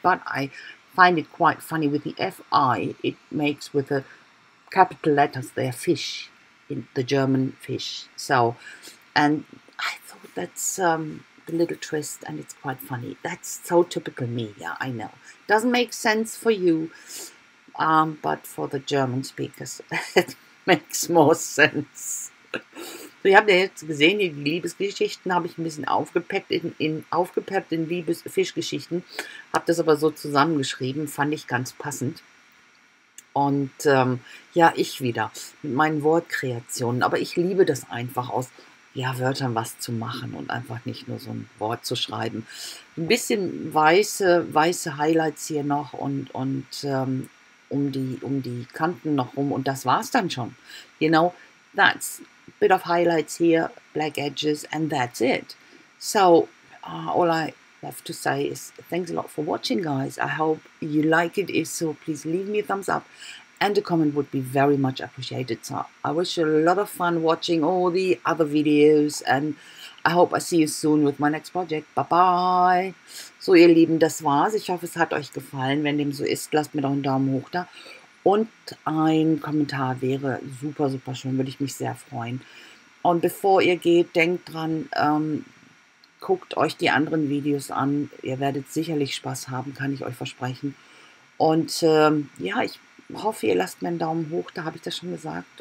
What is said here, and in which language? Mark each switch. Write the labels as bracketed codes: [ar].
[en] But I find it quite funny with the FI. It makes with the capital letters their fish, in the German fish. So, and I thought that's a little twist, and it's quite funny. That's so typical me. Yeah, I know, doesn't make sense for you, but for the German speakers it makes more sense. [de] So ihr habt ja jetzt gesehen, die Liebesgeschichten habe ich ein bisschen aufgepeppt in Liebesfischgeschichten, habe das aber so zusammengeschrieben, fand ich ganz passend. Und ich wieder mit meinen Wortkreationen, aber ich liebe das einfach, aus Wörtern was zu machen und einfach nicht nur so ein Wort zu schreiben. Ein bisschen weiße Highlights hier noch und um die Kanten noch rum, und das war's dann schon. [en] You know, that's a bit of highlights here, black edges, and that's it. So, all I have to say is thanks a lot for watching, guys. I hope you like it. If so, please leave me a thumbs up. And a comment would be very much appreciated. So I wish you a lot of fun watching all the other videos. And I hope I see you soon with my next project. [de] Bye-bye. So ihr Lieben, das war's. Ich hoffe, es hat euch gefallen. Wenn dem so ist, lasst mir doch einen Daumen hoch da. Und ein Kommentar wäre super, super schön. Würde ich mich sehr freuen. Und bevor ihr geht, denkt dran, guckt euch die anderen Videos an. Ihr werdet sicherlich Spaß haben, kann ich euch versprechen. Und ich hoffe, ihr lasst mir einen Daumen hoch, da habe ich das schon gesagt.